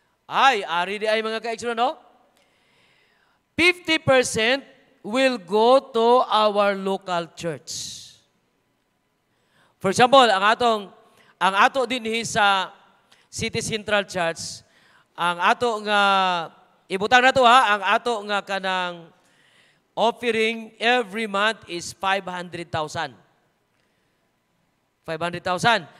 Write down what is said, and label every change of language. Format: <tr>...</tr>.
<ceb>Ay, ari di ay mga kaigsunan, no?</ceb> <en>50% will go to our local church. For example,</en> <ceb>ang ato din sa City Central Church, ang ato nga ibutang na to ha, ang ato nga kanang offering</ceb> <en>every month is 500,000. 500,000.</en>